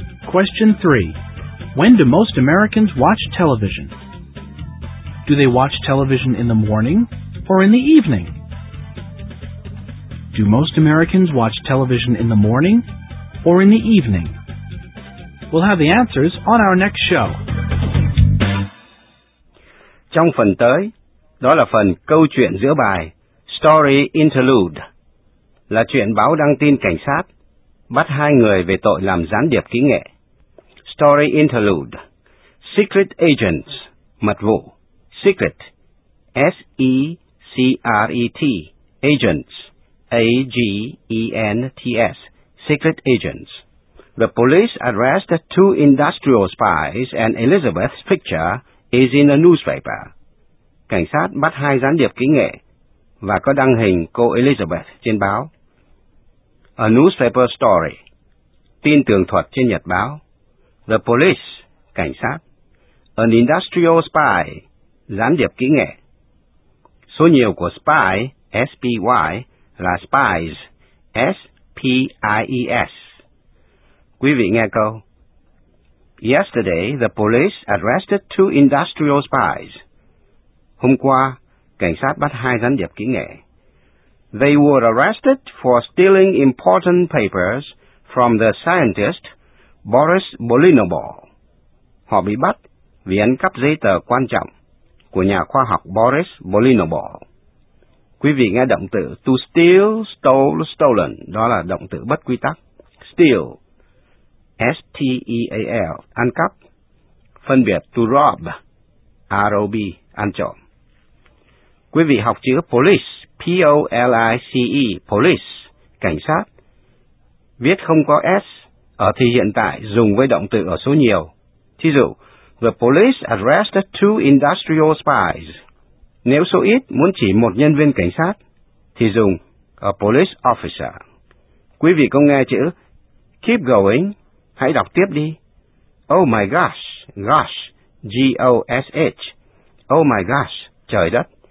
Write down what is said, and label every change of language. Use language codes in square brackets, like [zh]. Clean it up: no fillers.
[en] Question 3. When do most Americans watch television? Do they watch television in the morning or in the evening? Do most Americans watch television in the morning or in the evening? We'll have the answers on our next show. [vi] Trong phần tới, đó là phần câu chuyện giữa bài, Story Interlude, là chuyện báo đăng tin cảnh sát bắt hai người về tội làm gián điệp kỹ nghệ. [en] Story Interlude, Secret Agents, mật vụ, Secret, S-E-C-R-E-T, Agents, A-G-E-N-T-S, Secret Agents. The police arrest two industrial spies and Elizabeth's picture is in a newspaper. [vi] Cảnh sát bắt hai gián điệp kỹ nghệ và có đăng hình cô Elizabeth trên báo. [en] A newspaper story. [vi] Tin tường thuật trên nhật báo. [en] The police. [vi] Cảnh sát. [en] An industrial spy. [vi] Gián điệp kỹ nghệ. Số nhiều của spy, S-P-Y, là spies, S-P-I-E-S. Quý vị nghe câu. [en] Yesterday, the police arrested two industrial spies. [vi] Hôm qua, cảnh sát bắt hai gián điệp kỹ nghệ. [en] They were arrested for stealing important papers from the scientist Boris Bolinobol. [vi] Họ bị bắt vì ăn cắp giấy tờ quan trọng của nhà khoa học Boris Bolinobol. Quý vị nghe động từ to steal, stole, stolen. Đó là động từ bất quy tắc. Steal. S-T-E-A-L, ăn cắp, phân biệt to rob, ROB, ăn trộm. Quý vị học chữ police, P-O-L-I-C-E, police, cảnh sát. Viết không có S, ở thì hiện tại dùng với động từ ở số nhiều. Thí dụ, [en] the police arrested two industrial spies. [vi] Nếu số ít muốn chỉ một nhân viên cảnh sát, thì dùng [en] a police officer. [vi] Quý vị có nghe chữ [en] keep going, [vi] hãy đọc tiếp đi. [en] Oh my gosh, gosh, G-O-S-H, oh my gosh, [vi] trời đất.